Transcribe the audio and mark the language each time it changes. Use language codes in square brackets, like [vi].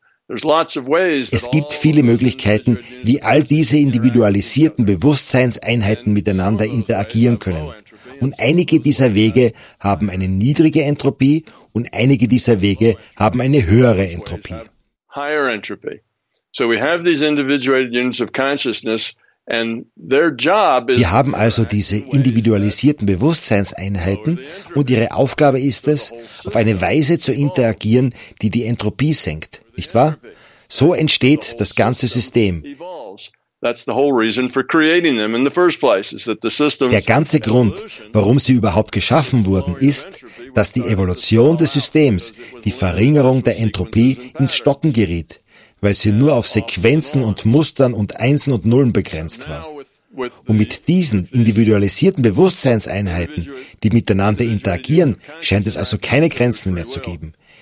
[de] Es gibt viele Möglichkeiten, wie all diese individualisierten Bewusstseinseinheiten miteinander interagieren können. Und einige dieser Wege haben eine niedrige Entropie und einige dieser Wege haben eine höhere Entropie. [en] Higher entropy. So we have these individuated units of consciousness and their job is. [de] Wir haben also diese individualisierten Bewusstseinseinheiten und ihre Aufgabe ist es, auf eine Weise zu interagieren, die die Entropie senkt, nicht wahr? So entsteht das ganze System. [en] That's the whole reason for creating them in the first place, is that the system. [de] Der ganze Grund, warum sie überhaupt geschaffen wurden, ist, dass die Evolution des Systems, die Verringerung der Entropie, ins Stocken geriet, weil sie nur auf Sequenzen und Mustern und Einsen und Nullen begrenzt war. Und mit diesen individualisierten Bewusstseinseinheiten, die miteinander interagieren, scheint es also keine Grenzen mehr zu geben.